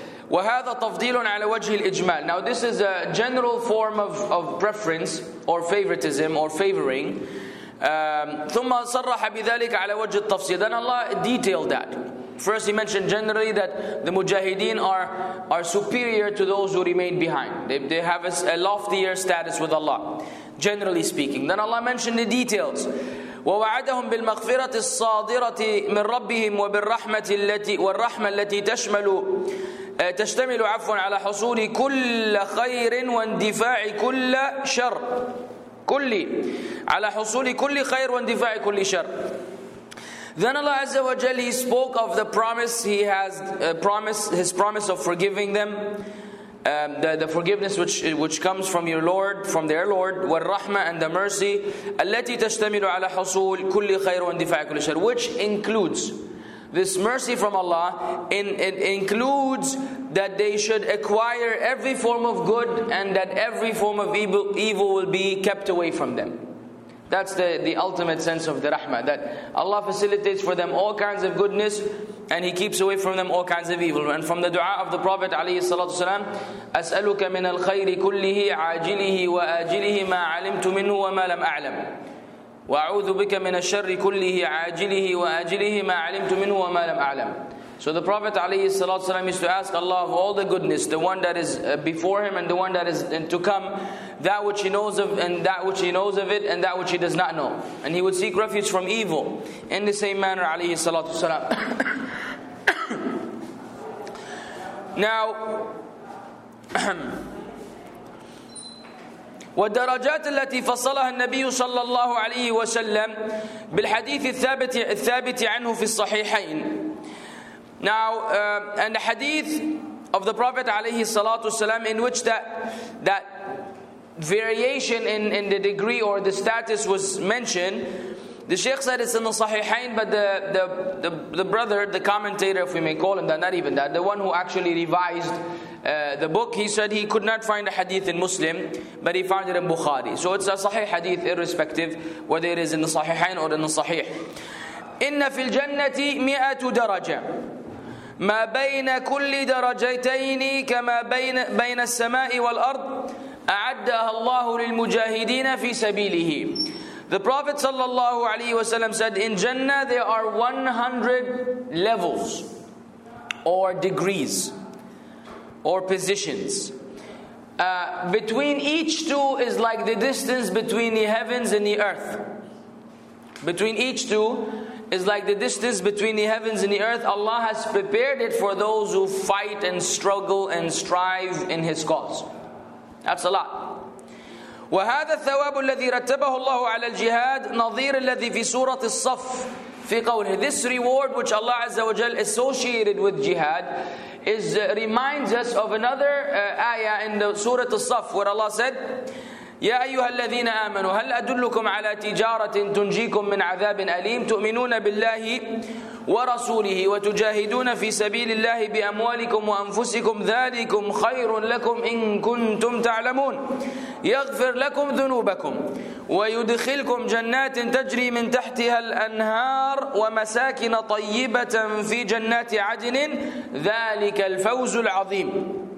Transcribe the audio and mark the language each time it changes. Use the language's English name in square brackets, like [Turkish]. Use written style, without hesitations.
[Arabic] وهذا تفضيل على وجه الإجمال. [English] Now this is a general form of preference or favoritism or favoring. [Arabic] ثم صرح بذلك على وجه التفصيل. [English] Then Allah detailed that. First He mentioned generally that the mujahideen are superior to those who remain behind. They have a loftier status with Allah, generally speaking. Then Allah mentioned the details. [Arabic] ووعدهم بالمغفرة الصادرة من ربهم وبالرحمة التي والرحمة التي تشمل تشتمل عفوا على حصول كل خير واندفاع كل شر كلي على حصول كل خير واندفاع كل شر. [English] Then Allah Azza wa Jalla, He spoke of the promise He has His promise of forgiving them, the forgiveness which comes from your Lord, from their Lord, [Arabic] والرحمه, [English] and the mercy [Arabic] التي تشتمل على حصول كل خير واندفاع كل شر, [English] which includes this mercy from Allah, it includes that they should acquire every form of good and that every form of evil will be kept away from them. That's the ultimate sense of the rahmah, that Allah facilitates for them all kinds of goodness and He keeps away from them all kinds of evil. And from the dua of the Prophet [Arabic] عليه الصلاة والسلام, أسألك من الخير كله عاجله وآجله ما علمت منه وما لم أعلم. وأعوذ بك من الشر كله عاجله وآجله ما علمت منه وما لم أعلم. [English] So the Prophet [Arabic] عليه الصلاة والسلام [English] used to ask Allah of all the goodness, the one that is before him and the one that is to come, that which he knows of and that which he knows of it and that which he does not know. And he would seek refuge from evil in the same manner [Arabic] عليه الصلاة والسلام. [English] Now, [Arabic] والدرجات التي فصلها النبي صلى الله عليه وسلم بالحديث الثابت عنه في الصحيحين. [English] Now, and the hadith of the Prophet [Arabic] عليه الصلاة والسلام, [English] in which that variation in the degree or the status was mentioned, the Shaykh said it's in the Sahihain, but the brother, the commentator, if we may call him that, not even that, the one who actually revised the book, he said he could not find a hadith in Muslim, but he found it in Bukhari. So it's a Sahih hadith, irrespective whether it is in the Sahihain or in the Sahih. [Arabic] إن في الجنة مئة درجة ما بين كل درجتين كما بين السماء والأرض أعدها الله للمجاهدين في سبيله. [English] The Prophet sallallahu alaihi wasallam said, in Jannah there are 100 levels or degrees or positions. Between each two is like the distance between the heavens and the earth. Between each two is like the distance between the heavens and the earth. Allah has prepared it for those who fight and struggle and strive in His cause. That's a lot. [Arabic] وهذا الثواب الذي رتبه الله على الجهاد نظير الذي في سورة الصف في قوله. [English] This reward which Allah Azza wa Jal associated with jihad reminds us of another ayah in the Surah al-Saff, where Allah said, [Arabic] يا أيها الذين آمنوا هل أدلكم على تجارة تنجيكم من عذاب أليم تؤمنون بالله ورسوله وتجاهدون في سبيل الله بأموالكم وأنفسكم ذلكم خير لكم إن كنتم تعلمون يغفر لكم ذنوبكم ويدخلكم جنات تجري من تحتها الأنهار ومساكن طيبة في جنات عدن ذلك الفوز العظيم.